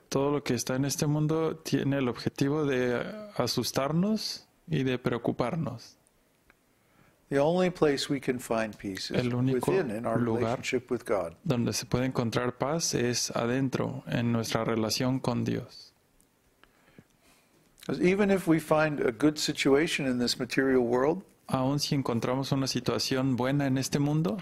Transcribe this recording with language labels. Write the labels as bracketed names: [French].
[Spanish] Todo lo que está en este mundo tiene el objetivo de asustarnos y de preocuparnos. [English] The only place we can find peace is within, in our relationship with God. [Spanish] Donde se puede encontrar paz es adentro, en nuestra relación con Dios. [English] Even if we find a good situation in this material world, [Spanish] aun si encontramos una situación buena en este mundo,